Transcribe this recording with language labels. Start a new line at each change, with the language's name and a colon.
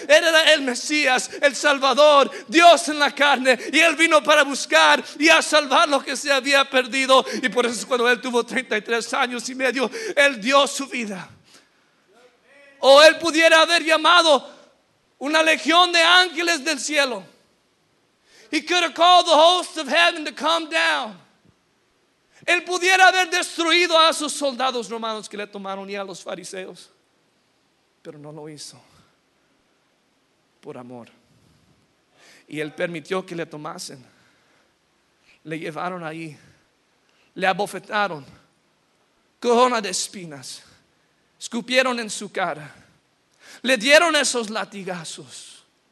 Spanish: Él era el Mesías, el Salvador, Dios en la carne. Y Él vino para buscar y a salvar lo que se había perdido. Y por eso, cuando Él tuvo 33 años y medio, Él dio su vida. O Él pudiera haber llamado una legión de ángeles del cielo.
English: He could have called the host of heaven to come down.
Spanish: Él pudiera haber destruido a esos soldados romanos que le tomaron, y a los fariseos, pero no lo hizo por amor. Y Él permitió que le tomasen, le llevaron ahí, le abofetaron, corona de espinas, escupieron en su cara, le dieron esos latigazos,